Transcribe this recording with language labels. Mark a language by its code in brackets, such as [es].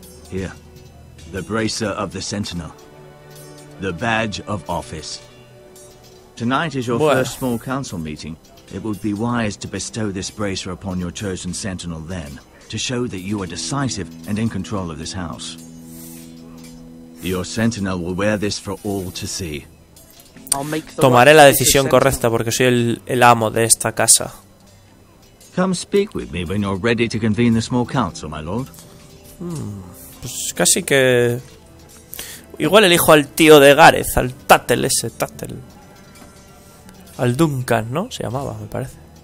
[en] Here. The bracer of the sentinel. The badge of office. Tonight is your first small council meeting. It would be wise to bestow this bracer upon your chosen sentinel then, to show that you are decisive and in control of this house. Your sentinel will wear this for all to see. [es] Tomaré la decisión correcta porque soy el amo de esta casa. [en] Come speak with me when you're ready to convene the small council, my lord. [es] Pues casi que... Igual elijo al tío de Gareth, al Tattle ese, Tattle. Al Duncan, ¿no? Se llamaba, me parece.